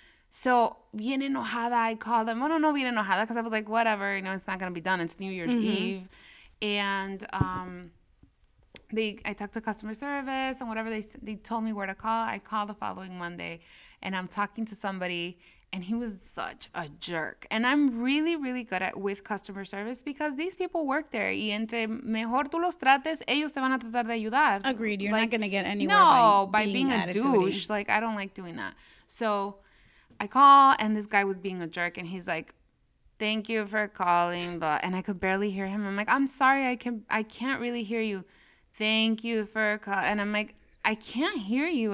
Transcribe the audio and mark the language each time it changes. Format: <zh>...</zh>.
<en>So,</en> <es>bien enojada,</es> <en>I called them. Oh, no, bien enojada, because I was like, whatever, you know, it's not going to be done. It's New Year's mm-hmm. Eve. And I talked to customer service and whatever. They told me where to call. I called the following Monday, and I'm talking to somebody, and he was such a jerk. And I'm really, really good at with customer service because these people work there.</en> <es>Y entre mejor tú los trates, ellos te van a tratar de ayudar.</es> <en>Agreed. You're like, not going to get anywhere by being a attitude-y. Douche. Like, I don't like doing that. So I call, and this guy was being a jerk, and he's like, thank you for calling, but, and I could barely hear him. I'm like, I'm sorry, I can't really hear you. Thank you for calling. And I'm like, I can't hear you.</en>